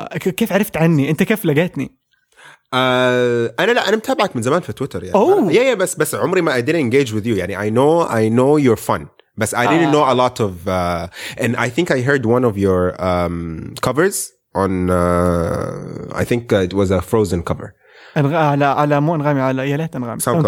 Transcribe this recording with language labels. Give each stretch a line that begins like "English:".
Arabic: كيف عرفت عني انت كيف لقيتني انا لا انا متابعك من زمان في تويتر يعني
English: oh.
Arabic: يا بس عمري ما
English: I didn't engage with you
Arabic: يعني
English: I know you're fun
Arabic: بس
English: I didn't know a lot of and I think I heard one of your covers on I think it was a frozen cover
Arabic: على مو انغامي على يا ليت انغامي